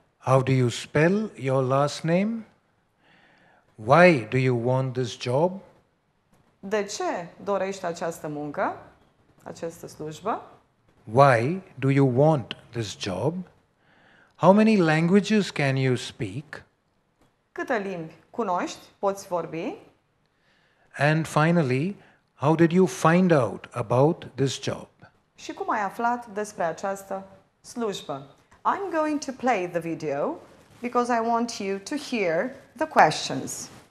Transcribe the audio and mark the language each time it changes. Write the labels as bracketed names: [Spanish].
[English] How do you spell your last name? Why do you want this job? [Romanian] De ce dorești această muncă, această slujbă? [English] Why do you want this job? How many languages can you speak? [Romanian] Câte limbi cunoști, poți vorbi? [English] And finally, how did you find out about this job? [Romanian] Și cum ai aflat despre această slujbă? [English] I'm going to play the video because I want you to hear the questions.